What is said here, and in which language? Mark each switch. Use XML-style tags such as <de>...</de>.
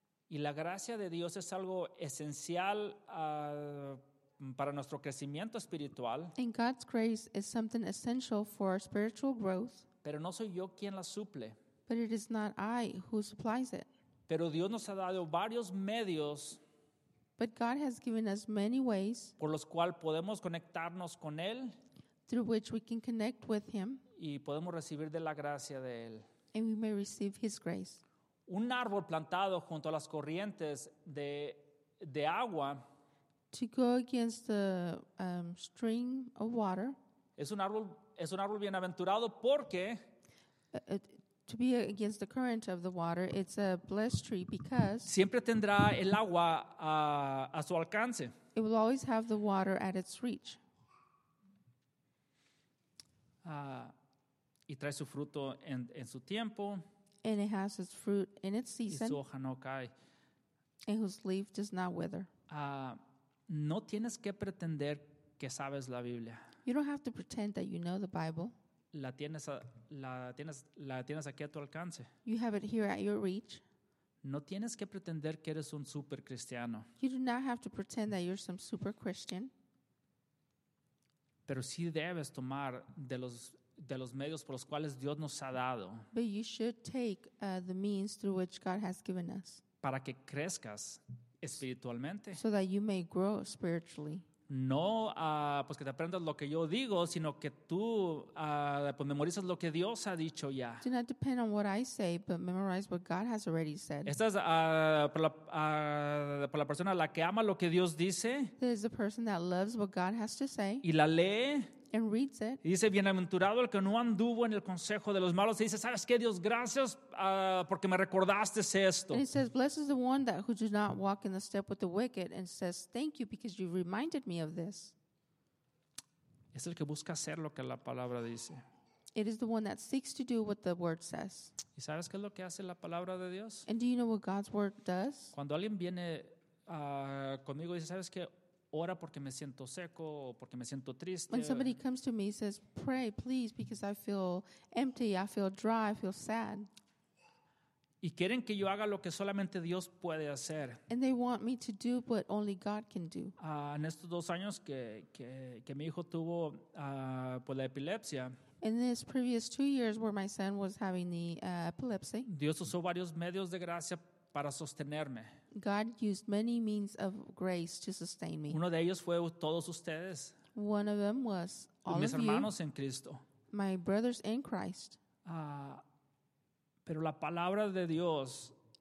<es>Y la gracia de Dios es algo esencial para nuestro crecimiento espiritual.</es> <en>And God's grace is something essential for our spiritual growth.</en> <es>Pero no soy yo quien la suple.</es> <en>But it is not I who supplies it.</en> <es>Pero Dios nos ha dado varios medios.</es> <en>But God has given us many ways.</en> <es>Por los cuales podemos conectarnos con Él.</es> <en>Through which we can connect with Him.</en> <es>Y podemos recibir de la gracia de Él.</es> <en>And we may receive His grace.</en> <es>Un árbol plantado junto a las corrientes de agua.</es> <en>To go against the stream of water.</en> <es>Es un árbol bienaventurado porque</es> <en>to be against the current of the water, it's a blessed tree because</en> <es>siempre tendrá el agua a su alcance.</es> <en>It will always have the water at its reach.</en> <es>Y trae su fruto en su tiempo.</es> <en>And it has its fruit in its season.</en> <es>Y su hoja no cae.</es> <en>And whose leaf does not wither.</en> <es>No tienes que pretender que sabes la Biblia.</es> <en>You don't have to pretend that you know the Bible.</en> <es>La tienes aquí a tu alcance.</es> <en>You have it here at your reach.</en> <es>No tienes que pretender que eres un super cristiano.</es> <en>You do not have to pretend that you're some super Christian.</en> <es>Pero sí debes tomar de los medios por los cuales Dios nos ha dado.</es> <en>But you should take the means through which God has given us.</en> <es>Para que crezcas espiritualmente.</es> <en>So that you may grow spiritually.</en> <es>No, pues que te aprendas lo que yo digo, sino que tú pues memorices lo que Dios ha dicho ya.</es> <en>Do not depend on what I say, but memorize what God has already said.</en> <es>Esta es por la persona la que ama lo que Dios dice.</es> <en>This is the person that loves what God has to say.</en> <es>Y la lee.</es> <en>and reads it.</en> <es>Y dice, bienaventurado el que no anduvo en el consejo de los malos. Y dice, ¿sabes qué, Dios? Gracias porque me recordaste esto.</es> <en>And he says, blessed is the one that who does not walk in the step with the wicked, and says, thank you because you reminded me of this.</en> <es>Es el que busca hacer lo que la palabra dice.</es> <en>It is the one that seeks to do what the word says.</en> <es>¿Y sabes qué es lo que hace la palabra de Dios?</es> <en>And do you know what God's word does?</en> <es>Cuando alguien viene conmigo y dice, ¿sabes qué? Ora porque me siento seco o porque me siento triste.</es> <en>When somebody comes to me and says, pray, please, because I feel empty, I feel dry, I feel sad.</en> <es>Y quieren que yo haga lo que solamente Dios puede hacer.</es> <en>And they want me to do what only God can do.</en> <es>En estos dos años que mi hijo tuvo pues la epilepsia.</es> <en>In these previous 2 years where my son was having the epilepsy.</en> <es>Dios usó varios medios de gracia para sostenerme.</es> <en>God used many means of grace to sustain me.</en> <es>Uno de ellos fue todos ustedes.</es> <en>One of them was all</en> <es>mis hermanos</es> <en>of you,</en> <es>en Cristo.</es> <en>My brothers in Christ.</en> <es>Pero la palabra de Dios,</es>